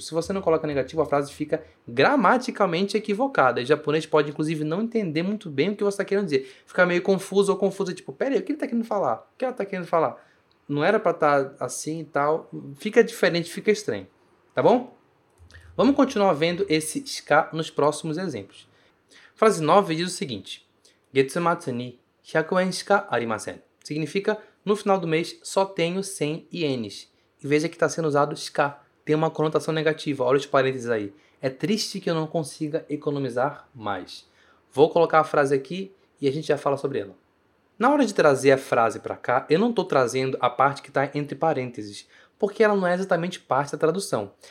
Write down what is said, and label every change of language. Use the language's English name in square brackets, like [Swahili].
[Portuguese] Se você não coloca negativo, a frase fica gramaticalmente equivocada. O japonês pode, inclusive, não entender muito bem o que você está querendo dizer. Ficar meio confuso ou confusa, tipo, peraí, o que ele está querendo falar? O que ela está querendo falar? Não era para estar assim e tal. Fica diferente, fica estranho. Tá bom? Vamos continuar vendo esse ska nos próximos exemplos. Frase 9 diz o seguinte. [Japanese] 月末に 100円 しか ありません. [Portuguese] Significa, no final do mês, só tenho 100 ienes. E veja que está sendo usado ska. Tem uma conotação negativa. Olha os parênteses aí. É triste que eu não consiga economizar mais. Vou colocar a frase aqui e a gente já fala sobre ela. Na hora de trazer a frase para cá, eu não estou trazendo a parte que está entre parênteses, porque ela não é exatamente parte da tradução.